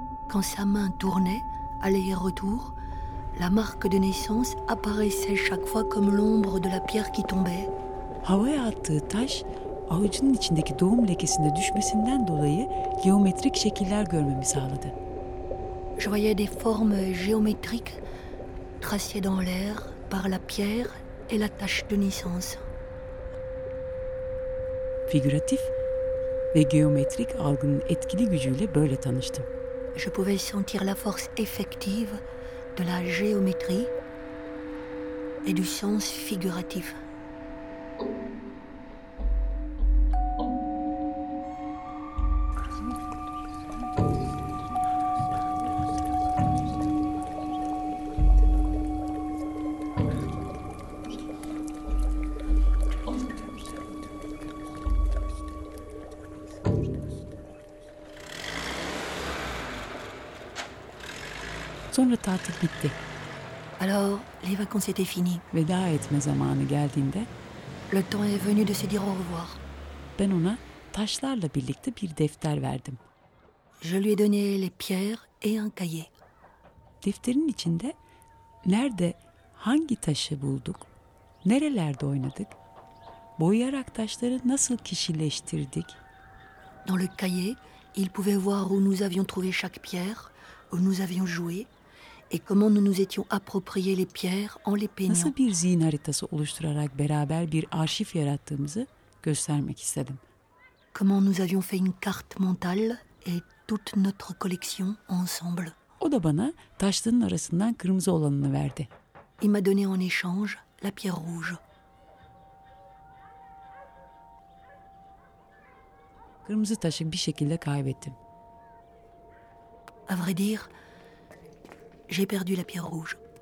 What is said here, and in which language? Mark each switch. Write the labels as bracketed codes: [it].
[fr] Quand sa main tournait, aller et retour, la marque de naissance apparaissait chaque fois comme l'ombre de la pierre qui tombait. [tr] Havaya attığı taş avucunun içindeki doğum lekesinde düşmesinden dolayı geometrik şekiller görmemi sağladı. [fr] Je voyais des formes géométriques tracées dans l'air par la pierre et la tache de naissance. [tr] Figüratif ve geometrik algının etkili gücüyle böyle tanıştım. [fr] Je pouvais sentir la force effective de la géométrie et du sens figuratif. [tr] Sonra tatil bitti. [fr] Alors, les vacances étaient finies. [tr] Veda etme zamanı geldiğinde, [fr] le temps est venu de se dire au revoir. [tr] Ben ona taşlarla birlikte bir defter verdim. [fr] Je lui ai donné les pierres et un cahier. [tr] Defterin içinde nerede hangi taşı bulduk, nerelerde oynadık, boyayarak taşları nasıl kişileştirdik. [fr] Dans le cahier, il pouvait voir où nous avions trouvé chaque pierre, où nous avions joué. Et comment nous nous étions approprié les pierres en les peignant. [tr] Nasıl bir zihin haritası oluşturarak beraber bir arşiv yarattığımızı göstermek istedim. [fr] Comment nous avions fait une carte mentale et toute notre collection ensemble. [tr] O da bana taşların arasından kırmızı olanını verdi. [fr] Il m'a donné en échange la pierre rouge. [tr] Kırmızı taşı bir şekilde kaybettim. [fr] À vrai dire, j'ai perdu la pierre rouge.